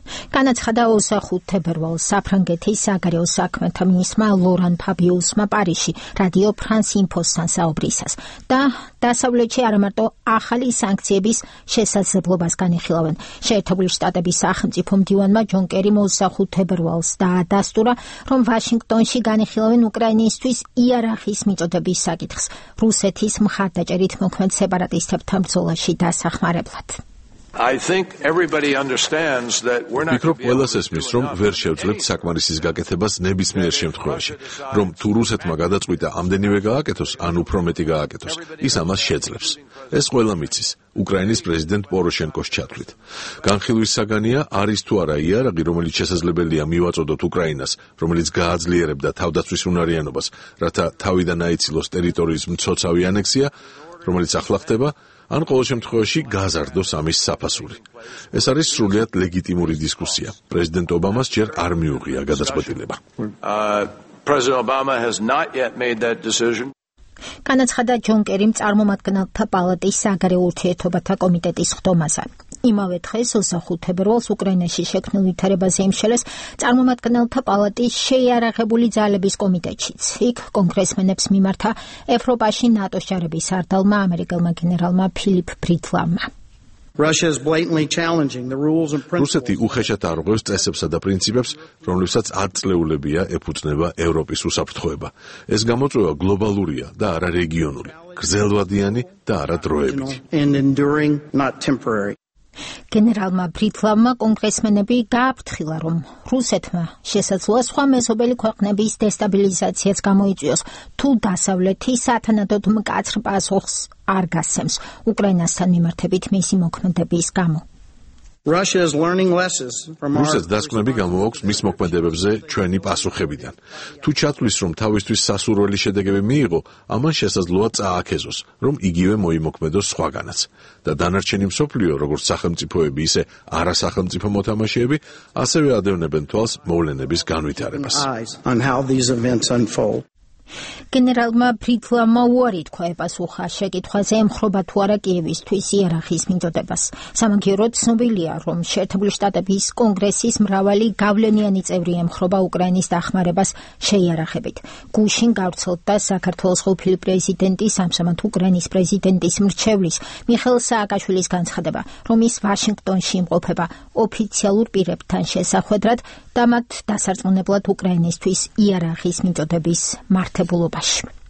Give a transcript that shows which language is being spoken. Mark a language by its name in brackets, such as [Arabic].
[Georgian] განაცხადა 25 თებერვალს საფრანგეთის საგარეო საქმეთა მინისტრმა ლორან ფაბიუსმა პარიში რადიო ფრანს ინფოსთან საუბრისას და დასავლეთში არამარტო ახალი სანქციების შესაძლებლობას განიხილავენ. შეერთებული შტატების სახელმწიფო მდივანმა ჯონ კერიმ 25 თებერვალს დაადასტურა, რომ ვაშინგტონში განიხილავენ უკრაინისთვის იარაღის მიწოდების საკითხს რუსეთის მხარდაჭერით მოქმედ სეპარატისტებთან ბრძოლაში დასახმარებლად. [English] I think everybody understands that we're not [Georgian] მიკრო პოლასესმის რომ ვერ შევძლებთ საკმარისის გაკეთებას ნებისმიერ შემთხვევაში, რომ თუ რუსეთმა გადაწყვიტა ამდენივე გააკეთოს, ან უფრო მეტი გააკეთოს, ის ამას შეძლებს. ეს ყველა მიცის უკრაინის პრეზიდენტ პოროშენკოს ჩათვლით. განხილვის საგანია არის თუ არა იარაღი, რომელიც შესაძლებელია მივაწოდოთ უკრაინას, რომელიც გააძლიერებდა თავდაცვის უნარიანობას, რათა თავიდან აიცილოს ტერიტორიის მცოცავი ანექსია, რომელიც ახლა ხდება. ან ყოველ შემთხვევაში გაზარდოს ამის საფასური. ეს არის სრულიად ლეგიტიმური დისკუსია. პრეზიდენტ ობამას ჯერ არ მიუღია გადაწყვეტილება. განაცხადა ჯონ კერიმ წარმომადგენელთა პალატის საგარეო ურთიერთობათა კომიტეტის ხდომაზე. იმავე დღეს 25 თებერვალს უკრაინაში შექმნილ ვითარებაზე იმშელეს წარმომადგენელთა პალატის შეიარაღებული ძალების კომიტეტშიც. იქ კონგრესმენებს მიმართა ევროპაში ნატოს ჯარების სარდალმა ამერიკელმა გენერალმა ფილიპ ბრითლამმა. [English] Russia is blatantly challenging the rules and principles. [Georgian] რუსეთი უხეშად არღვევს წესებსა და პრინციპებს, რომლებსაც არწლეულებია ეფუძნება ევროპის უსაფრთხოება. ეს გამოწვევა გლობალურია და არა რეგიონული, გრძელვადიანი და არა დროებითი. გენერალმა ბრითლამმა კონგრესმენები გააფრთხილა, რომ რუსეთმა შესაძლოა სხვა მეზობელი ქვეყნების დესტაბილიზაციაც გამოიწვიოს, თუ დასავლეთი სათანადოდ მკაცრ პასუხს არ გასცემს უკრაინასთან მიმართებით მისი მოქმედების გამო. [English] Russia is learning lessons from our [Georgian] Russia's დასკვნები გამოაქვს მის მოქმედებებზე ჩვენი პასუხებიდან. Თუ ჩათვლის რომ თავისთვის სასურველი შედეგები მიიღო, ამან შესაძლოა წააქეზოს, რომ იგივე მოიმოქმედოს სხვაგანაც. Და დანარჩენი მსოფლიო, როგორც სახელმწიფოები, ისე არასახელმწიფო მოთამაშეები, ასევე ადევნებენ თვალს მოვლენების განვითარებას. [English] On how these events unfold. [Georgian] გენერალმა ფრიტლამა უარი თქვა ეპასუხა შეკითხვაზე, ემხრობა თუ არა კიევისთვის იარაღის მიწოდებას. სამაგიეროდ ცნობილია, რომ შეერთებული შტატების კონგრესის მრავალი გავლენიანი წევრი ემხრობა უკრაინის დახმარებას შეიარაღებით. გუშინ გავრცელდა საქართველოს ყოფილი პრეზიდენტის, ამჟამად უკრაინის პრეზიდენტის მრჩევლის მიხეილ სააკაშვილის განცხადება, რომ ის ვაშინგტონში იმყოფება ოფიციალურ პირებთან შესახვედრად და მათ დასარწმუნებლად უკრაინისთვის იარაღის მიწოდების მართებულობაში.